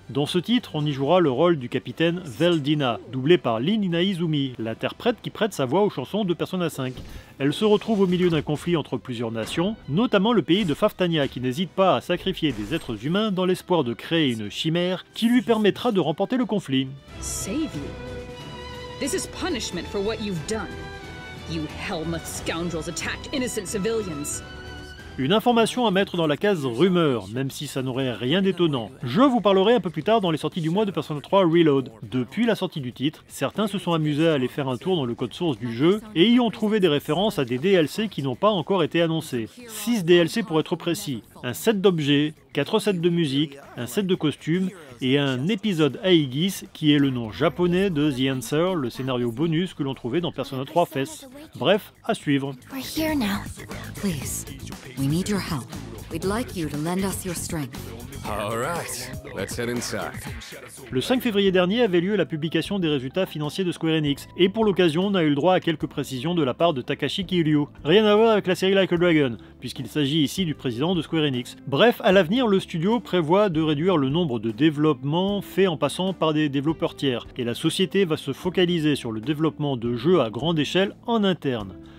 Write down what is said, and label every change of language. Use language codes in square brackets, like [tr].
[fr] Dans ce titre, on y jouera le rôle du capitaine Veldina, doublé par Lin Inaizumi, l'interprète qui prête sa voix aux chansons de Persona 5. Elle se retrouve au milieu d'un conflit entre plusieurs nations, notamment le pays de Faftania qui n'hésite pas à sacrifier des êtres humains dans l'espoir de créer une chimère qui lui permettra de remporter le conflit. [en] Save you. This is punishment for what you've done. You Hellmouth scoundrels attacked innocent civilians. [fr] Une information à mettre dans la case rumeur, même si ça n'aurait rien d'étonnant. Je vous parlerai un peu plus tard dans les sorties du mois de Persona 3 Reload. Depuis la sortie du titre, certains se sont amusés à aller faire un tour dans le code source du jeu et y ont trouvé des références à des DLC qui n'ont pas encore été annoncés. 6 DLC pour être précis, un set d'objets, 4 sets de musique, un set de costumes et un épisode Aegis qui est le nom japonais de The Answer, le scénario bonus que l'on trouvait dans Persona 3 FES. Bref, à suivre. [en] We need your help. We'd like you to lend us your strength. All right, let's head inside. [fr] Le 5 février dernier avait lieu la publication des résultats financiers de Square Enix, et pour l'occasion, on a eu le droit à quelques précisions de la part de Takashi Kiryu. Rien à voir avec la série Like a Dragon, puisqu'il s'agit ici du président de Square Enix. Bref, à l'avenir, le studio prévoit de réduire le nombre de développements faits en passant par des développeurs tiers, et la société va se focaliser sur le développement de jeux à grande échelle en interne.